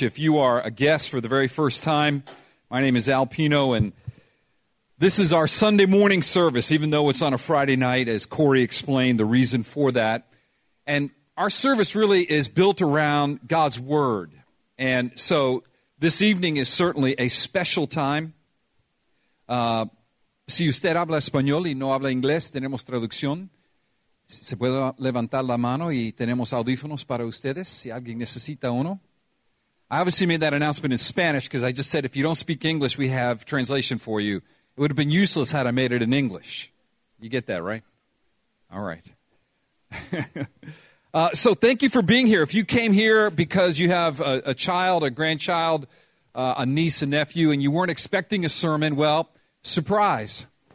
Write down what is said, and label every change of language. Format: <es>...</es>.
<en>If you are a guest for the very first time, my name is Al Pino, and this is our Sunday morning service, even though it's on a Friday night, as Corey explained the reason for that. And our service really is built around God's Word. And so this evening is certainly a special time.</en> <es>Si usted habla español y no habla inglés, tenemos traducción. ¿Se puede levantar la mano y tenemos audífonos para ustedes si alguien necesita uno?</es> <en>I obviously made that announcement in Spanish because I just said, if you don't speak English, we have translation for you. It would have been useless had I made it in English. You get that, right? All right. So thank you for being here. If you came here because you have a child, a grandchild, a niece, a nephew, and you weren't expecting a sermon, well, surprise.</en>